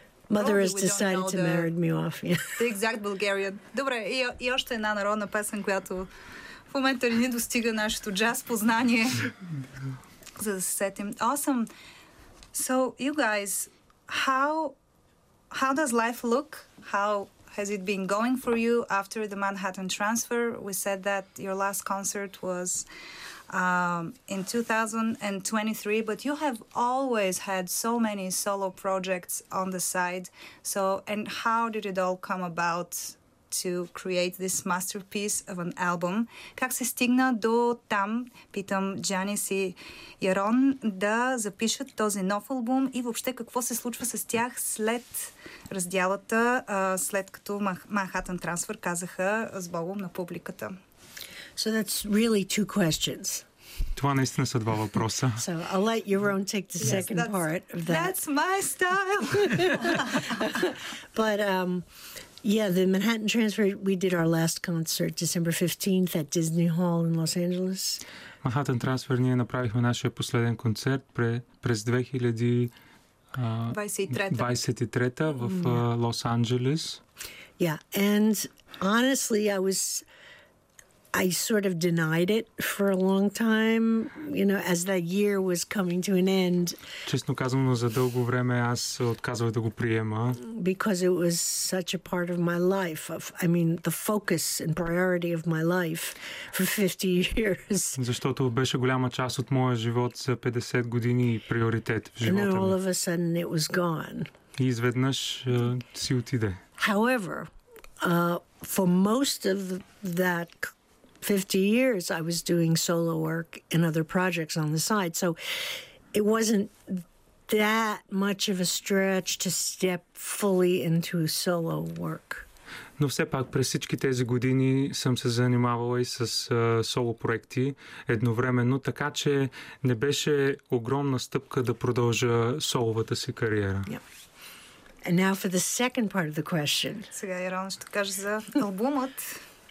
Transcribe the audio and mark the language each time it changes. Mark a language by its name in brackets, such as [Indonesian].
[English] Mother has decided to marry me off. The exact Bulgarian. [Bulgarian] Добре, и още една народна песен, която в момента ни достига нашето джаз познание. За да се сетим. Awesome. [English] So, you guys, how does life look? How has it been going for you after the Manhattan Transfer? We said that your last concert was in 2023, but you have always had so many solo projects on the side. So, and how did it all come about to create this masterpiece of an album? [Bulgarian] Как се стигна до там, питам Джанис и Ярон, да запишат този нов албум и въобще какво се случва с тях след раздялата, след като Манхатън Трансфер казаха с Богом на публиката? [English] So that's really two questions. [Bulgarian] Това наистина са два въпроса. [English] So I'll let Yaron take the second part of that. That's my style. But yeah, the Manhattan Transfer, we did our last concert December 15th at Disney Hall in Los Angeles. [Bulgarian] Manhattan Transfer, ние направихме нашия последен концерт през 2023 в Лос Анджелес. [English] Yeah, and honestly, I was I sort of denied it for a long time, you know, as that year was coming to an end. [Bulgarian] Честно казано, за дълго време аз отказвах да го приема. [English] Because it was such a part of my life, I mean, the focus and priority of my life for 50 years. [Bulgarian] Защото беше голяма част от моя живот за 50 години и приоритет в живота ми. [English] And then all of a sudden it was gone. [Bulgarian] И изведнъж си отиде. [English] However, for most of that 50 years I was doing solo work and other projects on the side. So it wasn't that much of a stretch to step fully into solo work. [Bulgarian] Но все пак през всички тези години съм се занимавала и с соло проекти едновременно, така че не беше огромна стъпка да продължа соловата си кариера. [English] And now for the second part of the question. [Bulgarian] Сега я рано ще кажа за албумът.